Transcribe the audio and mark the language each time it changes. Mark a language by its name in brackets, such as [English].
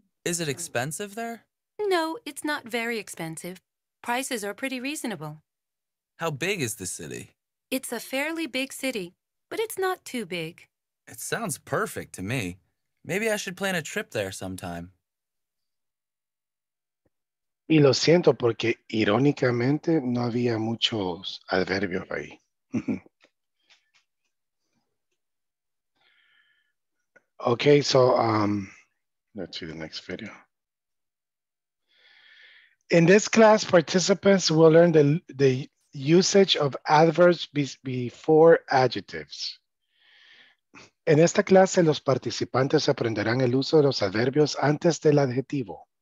[English] Is it expensive there? No, it's not very expensive. Prices are pretty reasonable. How big is the city? It's a fairly big city, but it's not too big. It sounds perfect to me. Maybe I should plan a trip there sometime. [Spanish] Y lo siento porque irónicamente no había muchos adverbios ahí. [English] Okay, so let's see the next video. In this class, participants will learn the usage of adverbs before adjectives. [Spanish] En esta clase, los participantes aprenderán el uso de los adverbios antes del adjetivo.